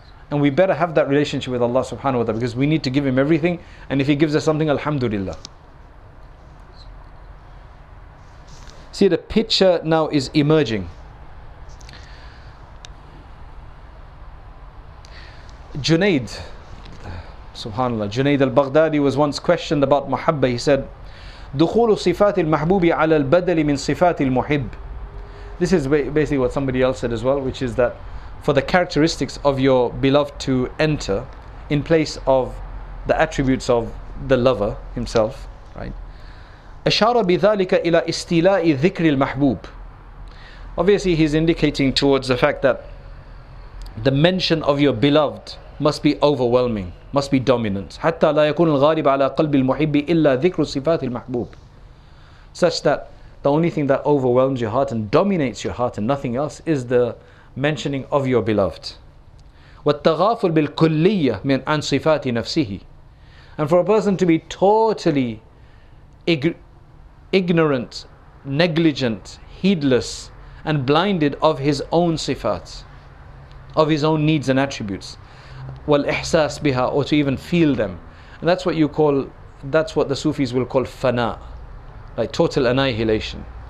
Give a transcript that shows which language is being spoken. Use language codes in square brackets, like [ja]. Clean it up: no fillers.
[en] And we better have that relationship with Allah subhanahu wa ta'ala, because we need to give Him everything, and if He gives us something, alhamdulillah. See, the picture now is emerging. Junaid, subhanAllah, Junaid al-Baghdadi was once questioned about mahabba. He said, [ar] دخول صفات المحبوب على البدل من صفات المحب. [en] This is basically what somebody else said as well, which is that for the characteristics of your beloved to enter in place of the attributes of the lover himself, right? [ar] أشار بذلك إلى استيلاء ذكر المحبوب. [en] Obviously, he's indicating towards the fact that the mention of your beloved must be overwhelming, must be dominant. [ar] حتى لا يكون الغالب على قلب المحب إلا ذكر صفات المحبوب. [en] Such that the only thing that overwhelms your heart and dominates your heart and nothing else is the mentioning of your beloved. [ar] والتغافل بالكلية من عن صفات نفسه. [en] And for a person to be totally ignorant, negligent, heedless, and blinded of his own sifat, of his own needs and attributes. [ar] وَالْإِحْسَاسِ بِهَا, [en] or to even feel them. And that's what you call, that's what the Sufis will call fana, like total annihilation.